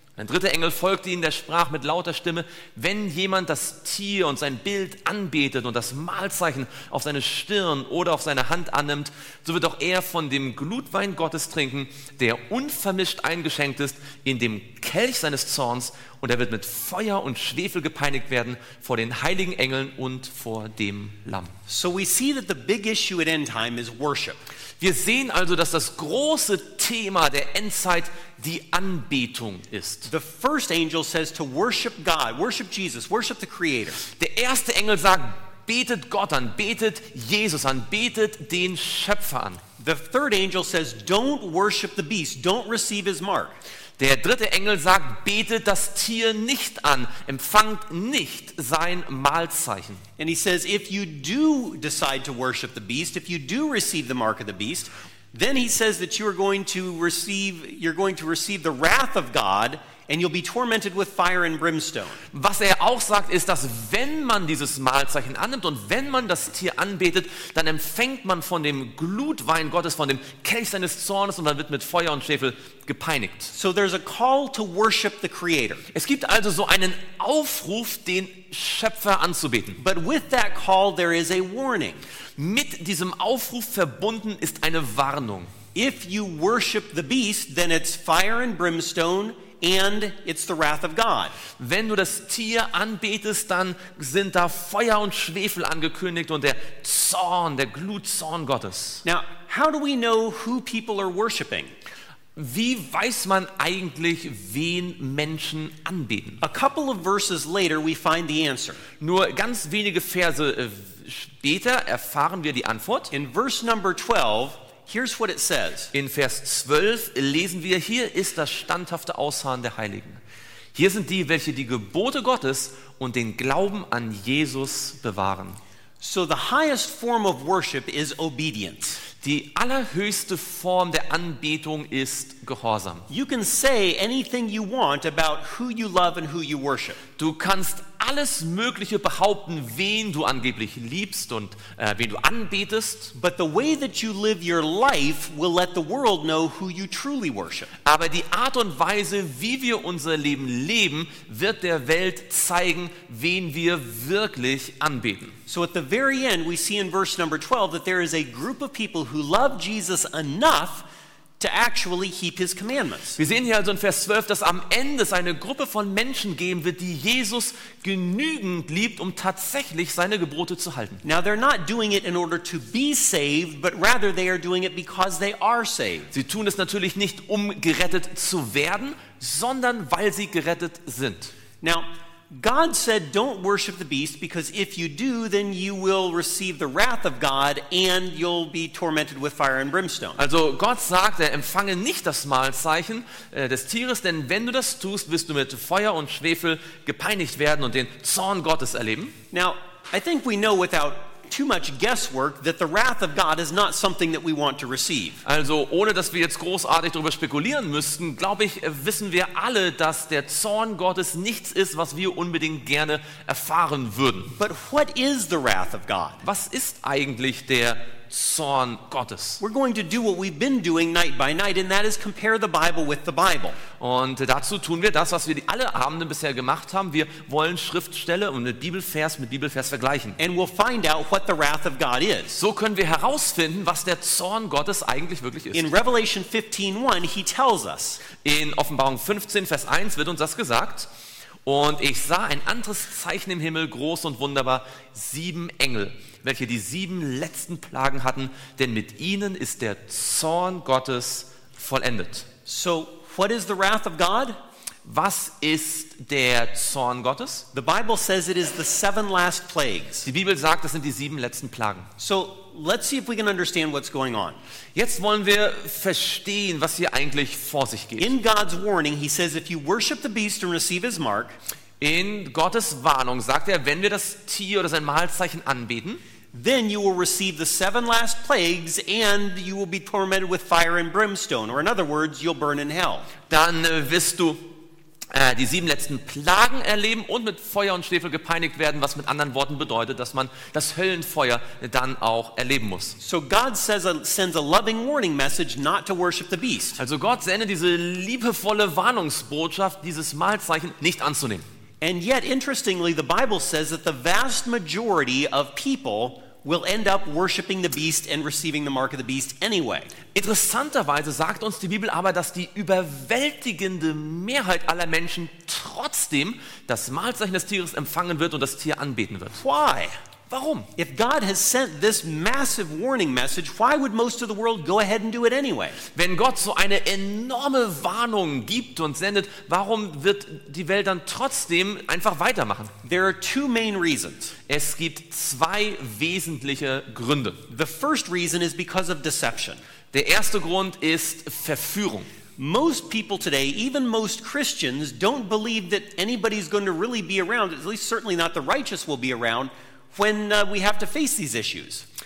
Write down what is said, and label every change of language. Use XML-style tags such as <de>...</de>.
<de>Ein dritter Engel folgte ihm, der sprach mit lauter Stimme, wenn jemand das Tier und sein Bild anbetet und das Mahlzeichen auf seine Stirn oder auf seine Hand annimmt, so wird auch er von dem Glutwein Gottes trinken, der unvermischt eingeschenkt ist in dem Kelch seines Zorns, und er wird mit Feuer und Schwefel gepeinigt werden vor den heiligen Engeln und vor dem Lamm.</de> <en>So we see that the big issue at end time is worship.</en> <de>Wir sehen also, dass das große Thema der Endzeit die Anbetung ist.</de> <en>The first angel says to worship God, worship Jesus, worship the Creator.</en> <de>Der erste Engel sagt, betet Gott an, betet Jesus an, betet den Schöpfer an.</de> <en>The third angel says, don't worship the beast, don't receive his mark.</en> <de>Der dritte Engel sagt, betet das Tier nicht an, empfangt nicht sein Mahlzeichen.</de> <en>And he says, if you do decide to worship the beast, if you do receive the mark of the beast, then he says that you are going to receive, you're going to receive the wrath of God, and you'll be tormented with fire and brimstone.</en> <de>Was er auch sagt, ist, dass wenn man dieses Mahlzeichen annimmt und wenn man das Tier anbetet, dann empfängt man von dem Glutwein Gottes, von dem Kelch seines Zornes, und man wird mit Feuer und Schwefel gepeinigt.</de> <en>So there's a call to worship the Creator.</en> <de>Es gibt also so einen Aufruf, den Schöpfer anzubeten.</de> <en>But with that call there is a warning.</en> <de>Mit diesem Aufruf verbunden ist eine Warnung.</de> <en>If you worship the beast, then it's fire and brimstone, and it's the wrath of God.</en> <de>Wenn du das Tier anbetest, dann sind da Feuer und Schwefel angekündigt und der Zorn, der Glutzorn Gottes.</de> <en>Now, how do we know who people are worshiping?</en> <de>Wie weiß man eigentlich, wen Menschen anbeten?</de> <en>A couple of verses later we find the answer.</en> <de>Nur ganz wenige Verse später erfahren wir die Antwort.</de> <en>In verse number 12, here's what it says.</en> <de>In Vers 12 lesen wir, hier ist das standhafte Ausharren der Heiligen. Hier sind die, welche die Gebote Gottes und den Glauben an Jesus bewahren.</de> <en>So the highest form of worship is obedience.</en> <de>Die allerhöchste Form der Anbetung ist Gehorsam.</de> <en>You can say anything you want about who you love and who you worship.</en> <de>Du kannst alles Mögliche behaupten, wen du angeblich liebst und wen du anbetest.</de> <en>But the way that you live your life will let the world know who you truly worship.</en> <de>Aber die Art und Weise, wie wir unser Leben leben, wird der Welt zeigen, wen wir wirklich anbeten.</de> <en>So at the very end we see in verse number 12 that there is a group of people who love Jesus enough to actually keep his commandments.</en> <de>Wir sehen hier also in Vers 12, dass am Ende es eine Gruppe von Menschen geben wird, die Jesus genügend liebt, um tatsächlich seine Gebote zu halten.</de> <en>Now they're not doing it in order to be saved, but rather they are doing it because they are saved.</en> <de>Sie tun es natürlich nicht, um gerettet zu werden, sondern weil sie gerettet sind.</de> <en>Now God said, don't worship the beast, because if you do, then you will receive the wrath of God and you'll be tormented with fire and brimstone.</en> <de>Also Gott sagt, empfange nicht das Mahlzeichen des Tieres, denn wenn du das tust, wirst du mit Feuer und Schwefel gepeinigt werden und den Zorn Gottes erleben.</de> <en>Now, I think we know without too much guesswork that the wrath of God is not something that we want to receive.</en> <de>Also ohne dass wir jetzt großartig darüber spekulieren müssten, glaube ich, wissen wir alle, dass der Zorn Gottes nichts ist, was wir unbedingt gerne erfahren würden.</de> <en>But what is the wrath of God?</en> <de>Was ist eigentlich der Zorn Gottes.</de> <en>We're going to do what we've been doing night by night, and that is compare the Bible with the Bible.</en> <de>Und dazu tun wir das, was wir alle Abende bisher gemacht haben. Wir wollen Schriftstelle und Bibelvers mit Bibelvers vergleichen.</de> <en>And we'll find out what the wrath of God is.</en> <de>So können wir herausfinden, was der Zorn Gottes eigentlich wirklich ist.</de> <en>In Revelation 15:1, he tells us.</en> <de>In Offenbarung 15, Vers 1 wird uns das gesagt. Und ich sah ein anderes Zeichen im Himmel, groß und wunderbar, 7 Engel, welche die 7 letzten Plagen hatten, denn mit ihnen ist der Zorn Gottes vollendet.</de> <en>So, what is the wrath of God?</en> <de>Was ist der Zorn Gottes?</de> <en>The Bible says it is the 7 last plagues.</en> <de>Die Bibel sagt, das sind die 7 letzten Plagen.</de> <en>So, let's see if we can understand what's going on.</en> <de>Jetzt wollen wir verstehen, was hier eigentlich vor sich geht.</de> <en>In God's warning, he says, if you worship the beast and receive his mark.</en> <de>In Gottes Warnung sagt er, wenn wir das Tier oder sein Malzeichen anbeten,</de> <en>then you will receive the 7 last plagues and you will be tormented with fire and brimstone, or in other words, you'll burn in hell.</en> <de>Dann wirst du die 7 letzten Plagen erleben und mit Feuer und Schwefel gepeinigt werden, was mit anderen Worten bedeutet, dass man das Höllenfeuer dann auch erleben muss.</de> <en>So God sends a loving warning message not to worship the beast.</en> <de>Also Gott sendet diese liebevolle Warnungsbotschaft, dieses Malzeichen nicht anzunehmen.</de> <en>And yet interestingly the Bible says that the vast majority of people will end up worshiping the beast and receiving the mark of the beast anyway.</en> <de>Interessanterweise sagt uns die Bibel aber, dass die überwältigende Mehrheit aller Menschen trotzdem das Malzeichen des Tieres empfangen wird und das Tier anbeten wird.</de> <en>Why?</en> <de>Warum?</de> <en>If God has sent this massive warning message, why would most of the world go ahead and do it anyway?</en> <de>Wenn Gott so eine enorme Warnung gibt und sendet, warum wird die Welt dann trotzdem einfach weitermachen?</de> <en>There are two main reasons.</en> <de>Es gibt zwei wesentliche Gründe.</de> <en>The first reason is because of deception.</en> <de>Der erste Grund ist Verführung.</de> <en>Most people today, even most Christians, don't believe that anybody's going to really be around, at least certainly not the righteous will be around, when we have to face these issues.</en>